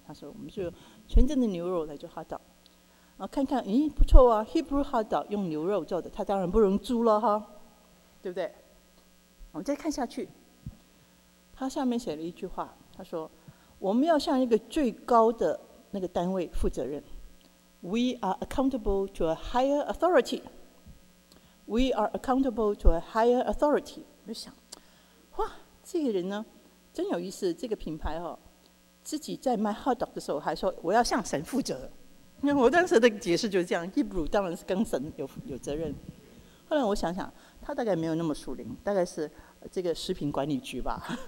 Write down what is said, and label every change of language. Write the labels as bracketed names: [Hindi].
[Chinese] 他说我们是用纯正的牛肉来做 hot dog， 啊，看看，咦，不错啊 ，Hebrew hot dog 用牛肉做的，它当然不用猪了哈。对不对？我们再看下去，他下面写了一句话，他说：“我们要向一个最高的那个单位负责任。 [English] We are accountable to a higher authority. We are accountable to a higher authority。” [Chinese] 我就想，哇，这个人呢，真有意思。这个品牌哦，自己在卖 hot dog 的时候还说我要向神负责。那我当时的解释就是这样 ：Hebrew 当然是跟神有责任。后来我想想，他大概没有那么属灵，大概是这个食品管理局吧。